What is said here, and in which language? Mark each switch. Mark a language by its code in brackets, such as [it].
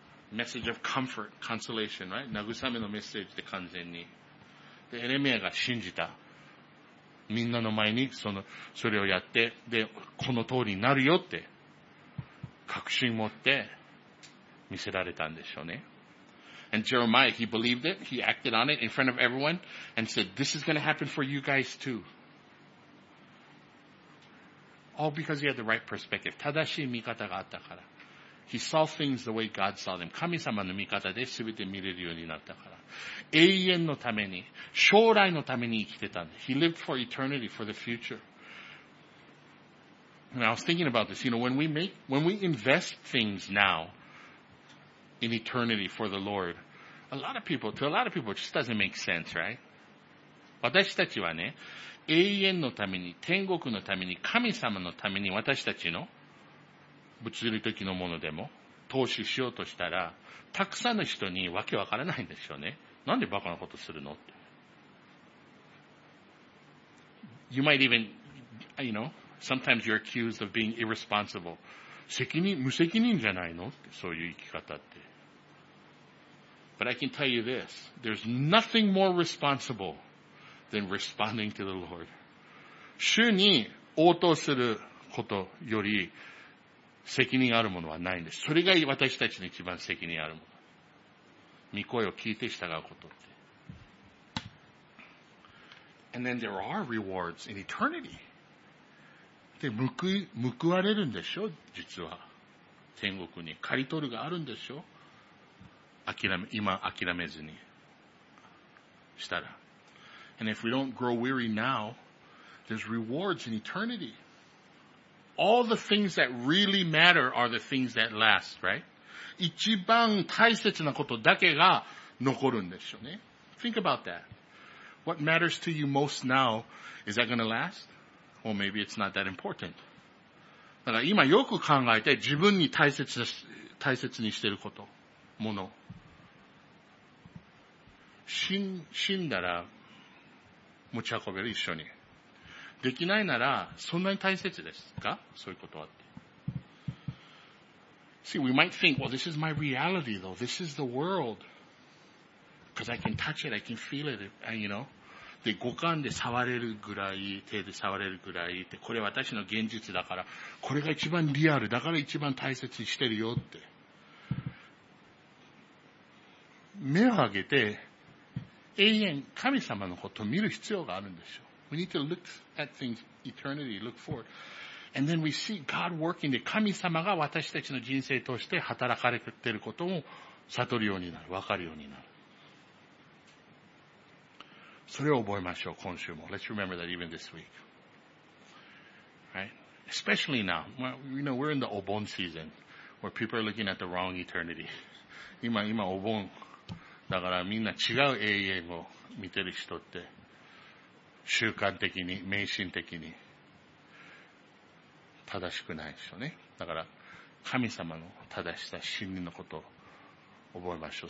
[en] message of comfort, consolation, right? [ja] 慰めのメッセージで完全に。で、エレミアが信じた。みんなの前にその、それをやって、で、この通りになるよって、確信持って見せられたんでしょうね。 [en] And Jeremiah, he believed it, he acted on it in front of everyone, and said, this is going to happen for you guys too. All because he had the right perspective. [ja] 正しい見方があったから。 [en] He saw things the way God saw them. [ja] 神様の見方で全て見れるようになったから。永遠のために、将来のために生きてたんだ。 [en] He lived for eternity, for the future. And I was thinking about this, you know, when we invest things now,in eternity for the Lord. A lot of people, to a lot of people, it just doesn't make sense, right? [ja] 私たちはね、永遠のために、天国のために、神様のために、私たちの物理的なものでも投資しようとしたら、たくさんの人にわけわからないんでしょうね。なんでバカなことするのって。 [en] You might even, you know, sometimes you're accused of being irresponsible. [ja] 責任、無責任じゃないの? そういう生き方って。 [en] But I can tell you this. There's nothing more responsible than responding to the Lord. [ja] 主に応答することより責任あるものはないんです。それが私たちの一番責任あるもの。御声を聞いて従うことって。 [en] And then there are rewards in eternity. [ja] で、報われるんでしょ?実は。天国に。刈り取るがあるんでしょ? 今、諦めずに。したら。 [en] And if we don't grow weary now, there's rewards in eternity. All the things that really matter are the things that last, right? [ja] 一番大切なことだけが残るんでしょうね。 [en] Think about that. What matters to you most now, is that going to last? Well, maybe it's not that important. [ja] だから今よく考えて自分に大切にしてること、もの。死んだら持ち運べる一緒に。できないならそんなに大切ですか? そういうことはって。 [en] See, we might think, well, this is my reality though. This is the world. Because I can touch it, I can feel it, and, you know. [ja] で、五感で触れるぐらい、手で触れるぐらいって、これ私の現実だから、これが一番リアル、だから一番大切にしてるよって。目を上げて、永遠、神様のことを見る必要があるんでしょう。 [en] We need to look at things eternity, look forward. And then we see God working で、 [ja] 神様が私たちの人生として働かれてることを悟るようになる、わかるようになる。それを覚えましょう、今週も。 [en] Let's remember that even this week. Right? Especially now. Well, you know, we're in the Obon season, where people are looking at the wrong eternity. [ja] 今お盆。だからみんな違う永遠を見てる人って、習慣的に、迷信的に、正しくないでしょうね。だから、神様の正しさ、真理のことを覚えましょう。